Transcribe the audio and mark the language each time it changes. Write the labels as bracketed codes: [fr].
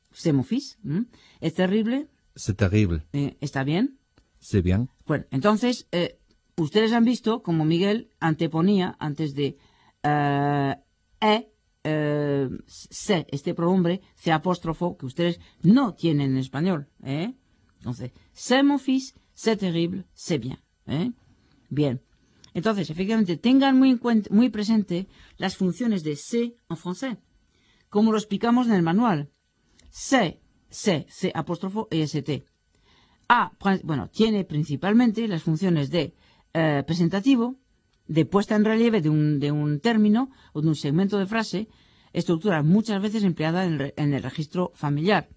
[fr] C'est mon fils. [es] ¿Es terrible? [fr] C'est terrible. [es] ¿Está bien? [fr] C'est bien. [es] Bueno, entonces, ustedes han visto como Miguel anteponía, antes de se, este pronombre, se apóstrofo, que ustedes no tienen en español. [fr] Entonces, c'est mon fils, c'est terrible, c'est bien. [es] Bien. Entonces, efectivamente, tengan muy presente las funciones de se en francés, como lo explicamos en el manual. C'est apóstrofo, est. A, bueno, tiene principalmente las funciones de presentativo, de puesta en relieve de un término o de un segmento de frase, estructura muchas veces empleada en el registro familiar.